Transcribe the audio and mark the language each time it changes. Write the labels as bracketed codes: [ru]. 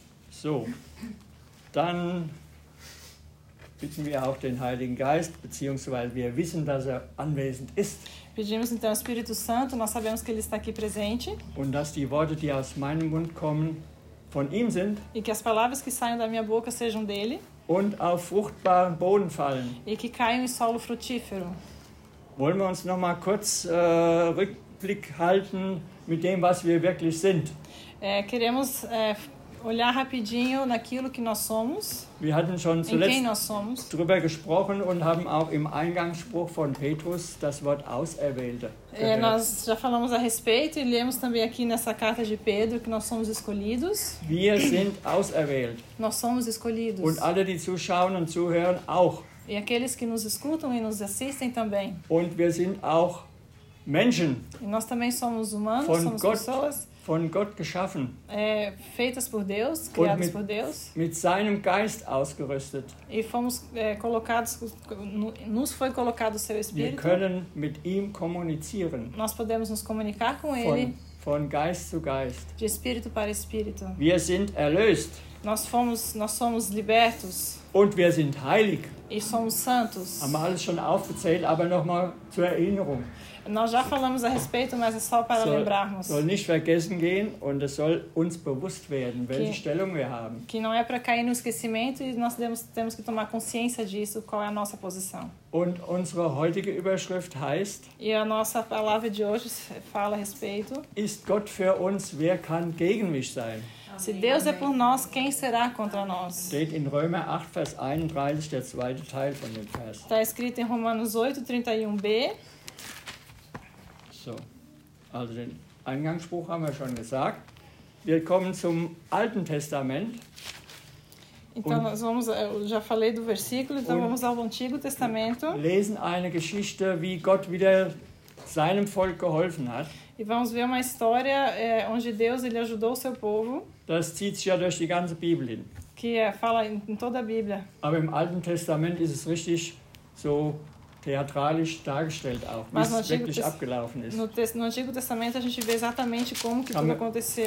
[de] So, dann bitten wir auch den Heiligen Geist, beziehungsweise wir wissen, dass er anwesend ist. [pt] Pedimos então ao Espírito Santo, nós sabemos que ele está aqui presente. [de] Und dass die Worte, die aus meinem Mund kommen, von ihm sind. [pt] E que as palavras que saem da minha boca sejam dele. [de] Und auf fruchtbaren Boden fallen. [pt] E que caiam em solo frutífero. [de] Wollen wir uns noch mal kurz Rückblick halten mit dem, was wir wirklich sind? [pt] Queremos olhar rapidinho naquilo que nós somos. [de] Wir hatten schon zuletzt drüber gesprochen und haben auch im Eingangsspruch von Petrus das Wort Auserwählte. [pt] Nós já falamos a respeito e lemos também aqui nessa carta de Pedro que nós somos escolhidos. [de] Wir sind auserwählt. [pt] Nós somos escolhidos. [de] Und alle, die zuschauen und zuhören, auch. [pt] E aqueles que nos escutam e nos assistem também. [de] Und wir sind auch Menschen. [pt] E nós também somos humanos, [de] von [pt] somos [de] Gott. [pt] Pessoas. [de] Von Gott geschaffen. [pt] Feitas por Deus, criadas por Deus. [de] Mit seinem Geist ausgerüstet. [pt] E fomos colocados, nos foi colocado o seu Espírito. [de] Wir können mit ihm kommunizieren. [pt] Nós podemos nos comunicar com ele. [de] Von Geist zu Geist. [pt] De Espírito para Espírito. [de] Wir sind erlöst. [pt] Nós somos libertos. [de] Und wir sind heilig. [pt] E somos santos. [de] Haben wir alles schon aufgezählt, aber nochmal zur Erinnerung. [pt] Nós já falamos a respeito, mas é só para lembrarmos. [de] Soll nicht vergessen gehen und es soll uns bewusst werden, welche Stellung wir haben. [pt] Que não é para cair no esquecimento e nós temos que tomar consciência disso, qual é a nossa posição. [de] Und unsere heutige Überschrift heißt. [pt] E a nossa palavra de hoje fala a respeito. [de] Ist Gott für uns, wer kann gegen mich sein? [pt] Se Deus é por nós, quem será contra nós? [de] Steht in Römer 8, Vers 31, der zweite Teil von dem Vers. [pt] Está escrito em Romanos 8, 31b. [de] So, also den Eingangsspruch haben wir schon gesagt. Wir kommen zum Alten Testament. [pt] Então nós vamos, eu já falei do versículo, então vamos ao Antigo Testamento. [de] Lesen eine Geschichte, wie Gott wieder seinem Volk geholfen hat. [pt] E vamos ver uma história onde Deus ele ajudou o seu povo. [de] Das zieht sich ja durch die ganze Bibel hin. [pt] Que fala em toda a Bíblia. [de] Aber im Alten Testament ist es richtig so theatralisch dargestellt auch, [pt] mas [de] wie es wirklich abgelaufen ist. [pt] No Antigo Testamento a gente vê exatamente como que tudo aconteceu.